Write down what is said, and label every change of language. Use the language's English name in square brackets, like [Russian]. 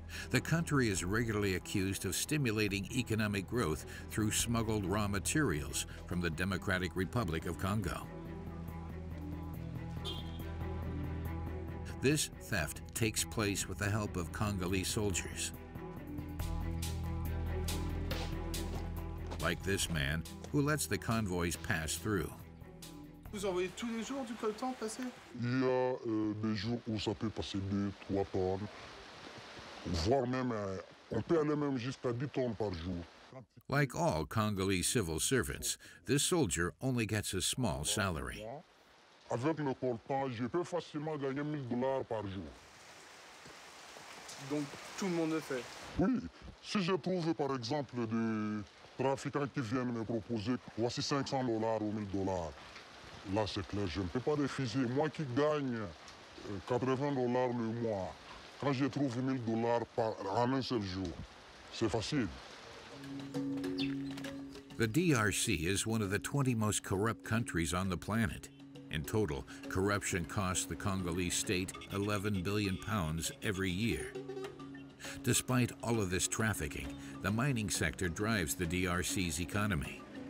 [English] The country is regularly accused of stimulating economic growth through smuggled raw materials from the Democratic Republic of Congo. This theft takes place with the help of Congolese soldiers. Like this man, who lets the convoys pass through. [French] Vous envoyez tous les jours du coltan passer? Il y a des jours où ça peut passer 2-3 tonnes, voire même, on peut aller même jusqu'à 10 tonnes par jour. [English] Like all Congolese civil servants, this soldier only gets a small salary. [French] Avec le coltan, je peux facilement gagner 1000 dollars par jour. Donc tout le monde le fait? Oui. Si je trouve, par exemple, des trafiquants qui viennent me proposer, voici 500 dollars ou 1000 dollars. Là, c'est clair, je ne peux pas refuser. Moi qui gagne 80 dollars le mois, quand je trouve 1000 dollars en un seul jour, c'est facile. [English] The DRC is one of the 20 most corrupt countries on the planet. In total, corruption costs the Congolese state 11 billion pounds every year. Despite all of this trafficking, the mining sector drives the DRC's economy.